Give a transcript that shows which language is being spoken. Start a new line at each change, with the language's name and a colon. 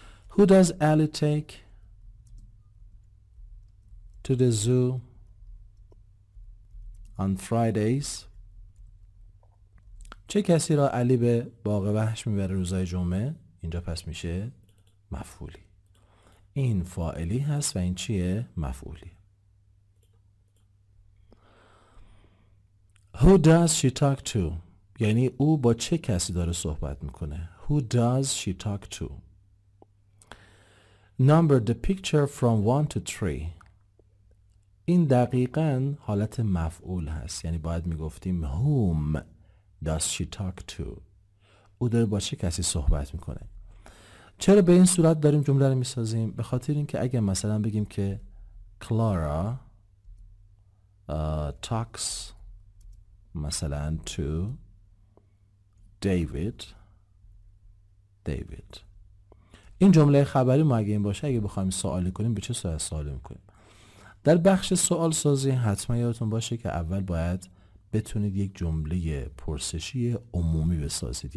English: Who does Ali take to the zoo on Fridays؟
Persian: چه کسی را علی به باغ وحش میبره روزای جمعه؟ اینجا پس میشه مفعولی. این فاعلی هست و این چیه؟ مفعولی.
English: Who does she talk to؟
Persian: یعنی او با چه کسی داره صحبت میکنه؟
English: Who does she talk to؟ Number the picture from 1 to 3.
Persian: این دقیقا حالت مفعول هست، یعنی باید میگفتیم
English: whom does she talk to،
Persian: او داره با چه کسی صحبت میکنه. چرا به این صورت داریم جمله رو میسازیم؟ به خاطر اینکه اگه مثلا بگیم که Clara talks مثلا to David، این جمله خبری ما اگه این باشه، اگه بخوایم سوالی کنیم به چه صورت سوالی میکنیم؟ در بخش سوال سازی حتما یادتون باشه که اول باید بتونید یک جمله پرسشی عمومی بسازید.